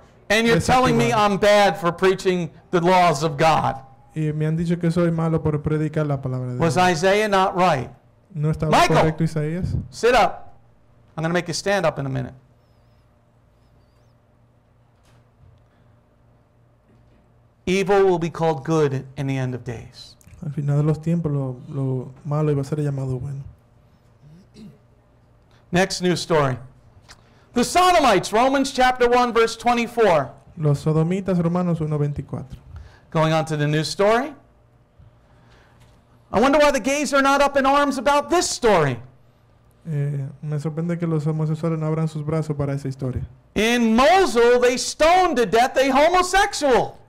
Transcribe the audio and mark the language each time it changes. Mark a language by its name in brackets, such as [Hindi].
[English] And you're telling me I'm bad for preaching the laws of God. [Spanish] Y me han dicho que soy malo por predicar la palabra de Dios. [English] Was Isaiah not right? [Spanish] ¿No estaba Michael, correcto Isaías? [English] Sit up. I'm going to make you stand up in a minute. Evil will be called good in the end of days. [Spanish] Al final de los tiempos, lo malo iba a ser llamado bueno. [English] Next news story. The Sodomites, Romans chapter 1, verse 24. [Spanish] Los Sodomitas, Romanos 1, 24. [English] Going on to the news story. I wonder why the gays are not up in arms about this story. [Spanish] Me sorprende que los homosexuales no abran sus brazos para esa historia. [English] In Mosul, they stoned to death a homosexual.